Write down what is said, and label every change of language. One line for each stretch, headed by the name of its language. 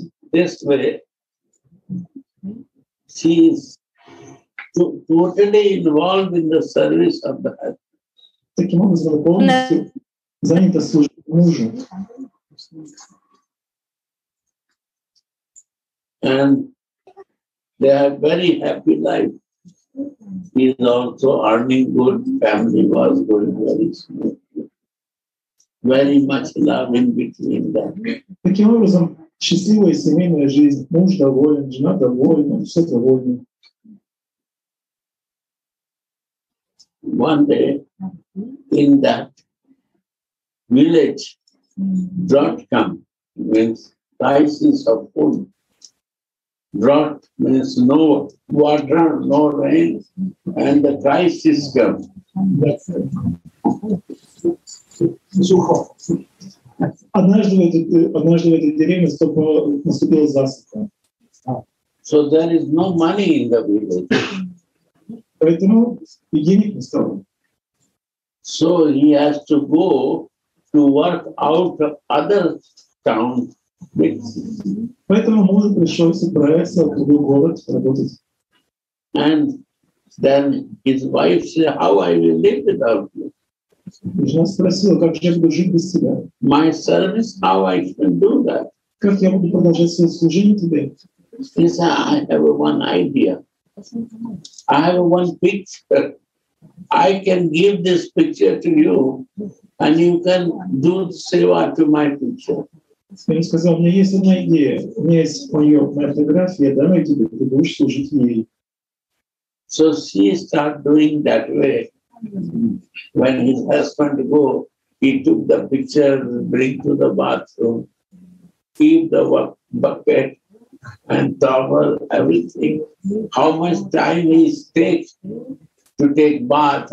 English: This way, she is totally involved in the service of the husband.
Russian: Таким образом, полностью занята служить мужу.
English: And they have very happy life. He is also earning good, family was going very smooth. Very much love in between them.
Russian: Таким образом, счастливая семейная жизнь. Муж доволен, жена довольна, все довольны.
English: One day, in that village, drought come, means crisis of food. Drought means no water, no rain, and the crisis come.
Russian: Сухо. Однажды в этой деревне наступила засуха.
English: So there is no money in the village.
Russian: Поэтому и денег не стало.
English: So he has to go to work out of other town.
Russian: Поэтому мужу пришлось отправиться в другой город работать.
English: And then his wife said, how I will live without you?
Russian: И жена спросила, как же я буду жить без тебя?
English: My service, how I can do that?
Russian: Как я буду продолжать свое служение тебе?
English: He said, I have one idea. I have one picture. I can give this picture to you, and you can do seva to my picture.
Russian: Он сказал, у меня есть одна идея. У меня есть моя фотография. Давай тебе, ты будешь служить ей.
English: So she started doing that way. When his husband go, he took the picture, bring to the bathroom, keep the bucket and towel, everything. How much time he takes to take bath?